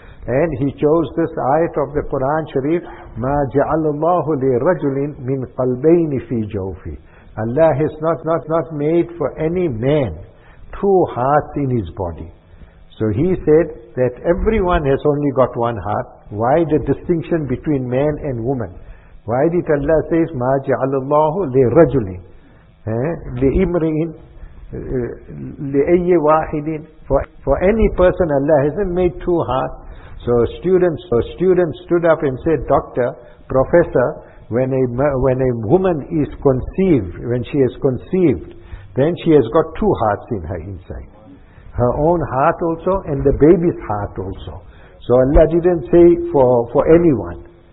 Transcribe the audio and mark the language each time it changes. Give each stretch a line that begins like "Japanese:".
English: And he chose this ayat of the Quran Sharif,
Arabic: مَا جَعَلَ اللَّهُ لِرَجُلٍ مِنْ قَلْبَيْنِ فِي جَوْفِ.
English: Allah has not made for any man two hearts in his body. So he said that everyone has only got one heart. Why the distinction between man and woman? Why did Allah say,
Arabic: مَا جَعَلَ اللَّهُ لِرَجُلٍ لِإِمْرِئٍ لِأَيِّ وَاحِدٍ.
English: For any person, Allah hasn't made two hearts. So students stood up and said, Doctor, Professor, when a woman is conceived, when she is conceived, then she has got two hearts in her inside. Her own heart also, and the baby's heart also. So Allah didn't say for anyone.